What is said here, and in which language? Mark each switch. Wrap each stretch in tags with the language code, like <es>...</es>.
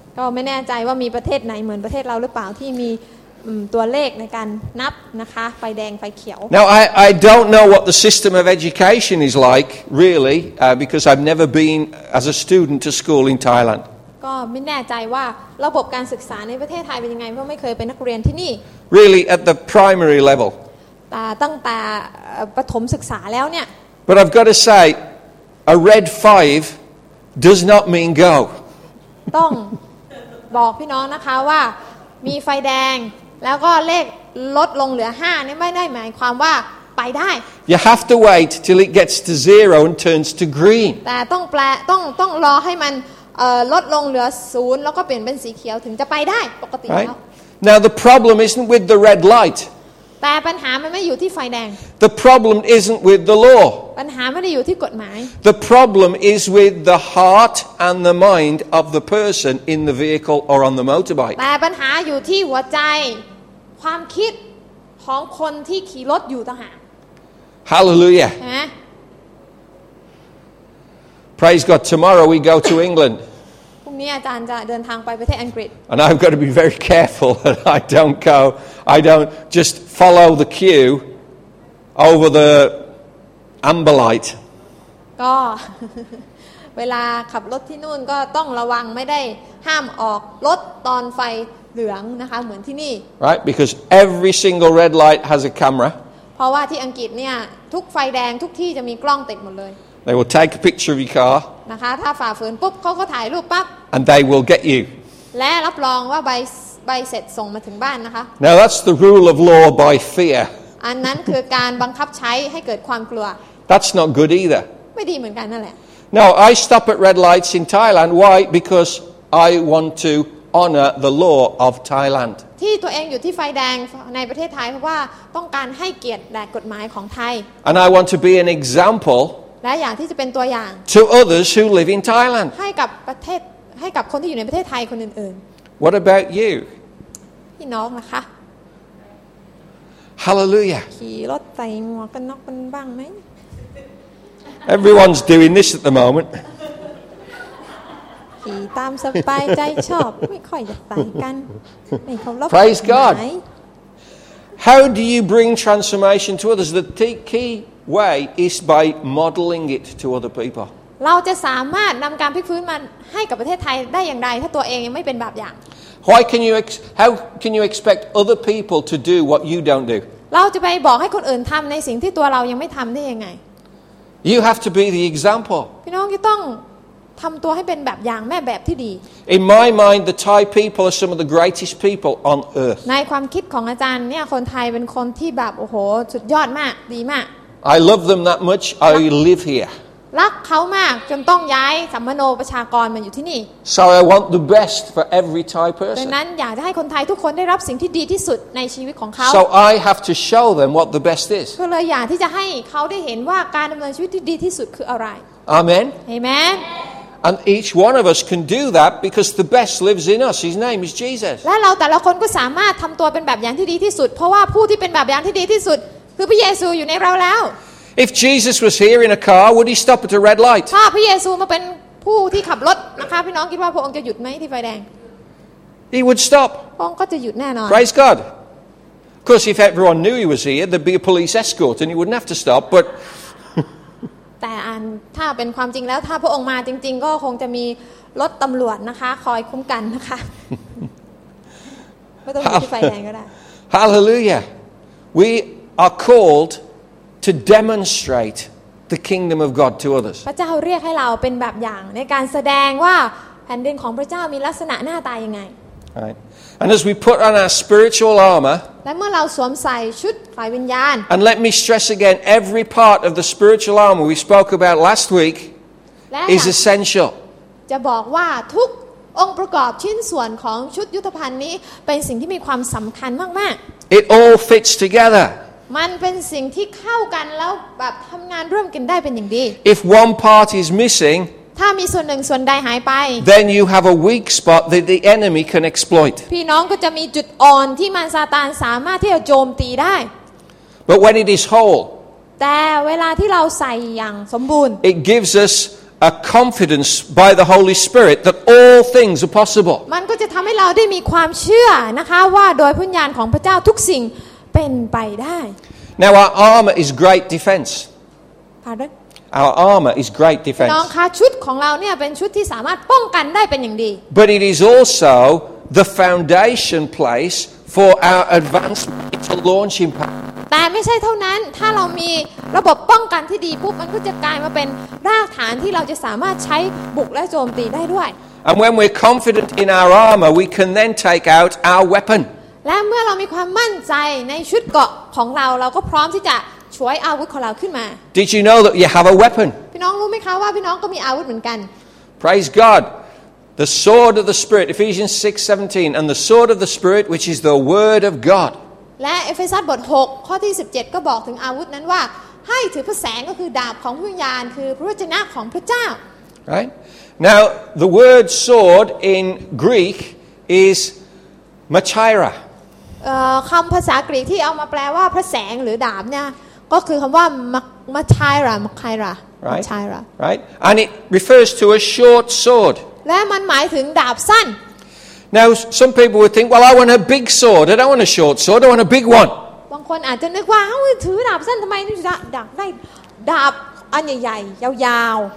<th>ก็ไม่แน่ใจว่ามีประเทศไหนเหมือนประเทศเราหรือเปล่าที่มีตัวเลขในการนับนะคะไฟแดงไฟเขียว</th> <en>Now I don't know what the system of education is like really because I've never been as a student to school in Thailand</en> <th>ก็ไม่แน่ใจว่าระบบการศึกษาในประเทศไทยเป็นยังไงเพราะไม่เคยเป็นนักเรียนที่นี่</th> <en>Really at the primary level</en> <th>ตั้งแต่ประถมศึกษาแล้วเนี่ย</th> <en>But I've got to say a red 5 does not mean go</en> <th>ต้องบอกพี่น้องนะคะว่ามีไฟแดงแล้วก็เลขลดลงเหลือ5นี่ไม่ได้หมายความว่าไปได้</th> <en>You have to wait till it gets to 0 and turns to green</en> <th>แต่ต้องแปลต้องรอให้มันลดลงเหลือ0แล้วก็เปลี่ยนเป็นสีเขียวถึงจะไปได้ปกติแล้ว</th> <en>Now the problem isn't with the red light</en> <th>แต่ปัญหามันไม่อยู่ที่ไฟแดง</th> <en>The problem isn't with the law</en> <th>ปัญหาไม่ได้อยู่ที่กฎหมาย</th> <en>The problem is with the heart and the mind of the person in the vehicle or on the motorbike</en> <th>แต่ปัญหาอยู่ที่หัวใจความคิดของคนที่ขี่รถอยู่ต่างหาก</th> <en>Hallelujah Praise God tomorrow we go to England</en> <th>เนี่ยอาจารย์จะเดินทางไปประเทศอังกฤษ</th> <en>And I've got to be very careful that I don't go I don't just follow the queue over the amber light</en> <th>ก็เวลาขับรถที่นู่นก็ต้องระวังไม่ได้ห้ามออกรถตอนไฟเหลืองนะคะเหมือนที่นี่</th> <en>Right because every single red light has a camera</en> <th>เพราะว่าที่อังกฤษเนี่ยทุกไฟแดงทุกที่จะมีกล้องติดหมดเลย</th> <en>They will take a picture of your car.</en> <th>นะคะถ้าฝ่าฝืนปุ๊บเขาก็ถ่ายรูปปั๊บ</th> <en>And they will get you.</en> <th>และรับรองว่าใบเสร็จส่งมาถึงบ้านนะคะ</th> <en>Now that's the rule of law by fear.</en> <th>อันนั้นคือการบังคับใช้ให้เกิดความกลัว</th> <en>That's not good either.</en> <th>ไม่ดีเหมือนกันนั่นแหละ</th> <en>Now I stop at red lights in Thailand. Why? Because I want to honor the law of Thailand.</en> <th>ที่ตัวเองอยู่ที่ไฟแดงในประเทศไทยเพราะว่าต้องการให้เกียรติแด่กฎหมายของไทย</th> <en>And I want to be an example.</en> <th>และอย่างที่จะเป็นตัวอย่าง</th> <en>to others who live in Thailand</en> <th>ให้กับประเทศให้กับคนที่อยู่ในประเทศไทยคนอื่น</th> <en>ๆ What about you</en> <th>พี่น้องนะคะ</th> <en>Hallelujah</en> <th>ขี่รถใส่หมวกกันน็อกกันบ้างไหม</th> <en>Everyone's doing this at the moment</en> <th>ขี่ตามสบายใจชอบไม่ค่อยจะใส่กันไม่เคารพ</th> <en>Praise God How do you bring transformation to others the key way is by modeling it to other people</en> <th>เราจะสามารถนำการพลิกฟื้นมันให้กับประเทศไทยได้อย่างไรถ้าตัวเองยังไม่เป็นแบบอย่าง</th> <en>Why can you how can you expect other people to do what you don't do</en> <th>เราจะไปบอกให้คนอื่นทำในสิ่งที่ตัวเรายังไม่ทำได้ยังไง</th> <en>You have to be the example</en> <th>พี่น้องจะต้องทำตัวให้เป็นแบบอย่างแม่แบบที่ดี</th> <en>In my mind the Thai people are some of the greatest people on earth</en> <th>ในความคิดของอาจารย์เนี่ยคนไทยเป็นคนที่แบบโอ้โหสุดยอดมากดีมาก</th> <en>I love them that much. I live here.</en> <th>รักเขามากจนต้องย้ายสัมมโนประชากรมาอยู่ที่นี่</th> <en>So I want the best for every Thai person.</en> <th>ดังนั้นอยากจะให้คนไทยทุกคนได้รับสิ่งที่ดีที่สุดในชีวิตของเขา</th> <en>So I have to show them what the best is.</en> <th>ก็เลยอยากที่จะให้เขาได้เห็นว่าการดำเนินชีวิตที่ดีที่สุดคืออะไร</th> <en>Amen. Amen. And each one of us can do that because the best lives in us. His name is Jesus.</en> <th>และเราแต่ละคนก็สามารถทำตัวเป็นแบบอย่างที่ดีที่สุดเพราะว่าผู้ที่เป็นแบบอย่างที่ดีที่สุดคือพระเยซูอยู่ในเราแล้ว</th> <en>If Jesus was here in a car would he stop at a red light</en> <th>ถ้าพระเยซูมาเป็นผู้ที่ขับรถนะคะพี่น้องคิดว่าพระองค์จะหยุดไหมที่ไฟแดง</th> <en>He would stop</en> <th>พระองค์ก็จะหยุดแน่นอน</th> <en>Praise God Of course if everyone knew he was here there'd be a police escort and he wouldn't have to stop but</en> <th>แต่อันถ้าเป็นความจริงแล้วถ้าพระองค์มาจริงๆก็คงจะมีรถตำรวจนะคะคอยคุ้มกันนะคะ ไม่ต้องที่ ไฟแดงก็ได้</th> <en>Hallelujah weare called to demonstrate the kingdom of God to others.</en> <th>พระเจ้าเรียกให้เราเป็นแบบอย่างในการแสดงว่าแผ่นดินของพระเจ้ามีลักษณะหน้าตายังไง</th> <en>And as we put on our spiritual armor,</en> <th>และเมื่อเราสวมใส่ชุดฝ่ายวิญญาณ</th> <en>And let me stress again every part of the spiritual armor we spoke about last week is essential.</en> <th>จะบอกว่าทุกองค์ประกอบชิ้นส่วนของชุดยุทธภัณฑ์นี้เป็นสิ่งที่มีความสำคัญมาก</th> <en>ๆ It all fits together.</en> <th>มันเป็นสิ่งที่เข้ากันแล้วแบบทำงานร่วมกันได้เป็นอย่างดี</th> <en>If one part is missing</en> <th>ถ้ามีส่วนหนึ่งส่วนใดหายไป</th> <en>Then you have a weak spot that the enemy can exploit</en> <th>พี่น้องก็จะมีจุดอ่อนที่มารซาตานสามารถที่จะโจมตีได้</th> <en>But when it is whole</en> <th>แต่เวลาที่เราใส่อย่างสมบูรณ์</th> <en>It gives us a confidence by the Holy Spirit that all things are possible</en> <th>มันก็จะทำให้เราได้มีความเชื่อนะคะว่าโดยพระวิญญาณของพระเจ้าทุกสิ่งเป็นไปได้</th> <en>Now our armor is great defense. Pardon? Our armor is great defense.</en> <th>น้องคะชุดของเราเนี่ยเป็นชุดที่สามารถป้องกันได้เป็นอย่างดี</th> <en>But it is also the foundation place for our advancement. It's a launching pad.</en> <th>แต่เ ไม่ใช่เท่านั้นถ้าเรามีระบบป้องกันที่ดีปุ๊บมันก็จะกลายมาเป็นรากฐานที่เราจะสามารถใช้บุกและโจมตีได้ด้วย</th> <en>And when we're confident in our armor we can then take out our weapon</en> <th>และเมื่อเรามีความมั่นใจในชุดเกราะของเราเราก็พร้อมที่จะช่วยอาวุธของเราขึ้นมา</th> <en>Did you know that you have a weapon</en> <th>พี่น้องรู้มั้ยคะว่าพี่น้องก็มีอาวุธเหมือนกัน</th> <en>Praise GodThe sword of the Spirit, Ephesians 6, 17, and the sword of the Spirit, which is the word of God.</en> <th>และ Ephesians บทหกข้อที่สิบเจ็ดก็บอกถึงอาวุธนั้นว่าให้ถือพระแสงก็คือดาบของพระวิญญาณคือพระวจนะของพระเจ้า</th> <en>Right. Now, the word sword in Greek is machaira.</en> <th>คำภาษากรีกที่เอามาแปลว่าพระแสงหรือดาบเนี่ยก็คือคำว่า machaira.</th> <en>Right. And it refers to a short sword.</en> <th>และมันหมายถึงดาบสั้น</th> <en>Now some people would think, well, I want a big sword. I don't want a short sword. I want a big one.</en> <th>บางคนอาจจะนึกว่าเอ้าถือดาบสั้นทำไมถึงดาบได้ดาบอันใหญ่ๆยาว</th>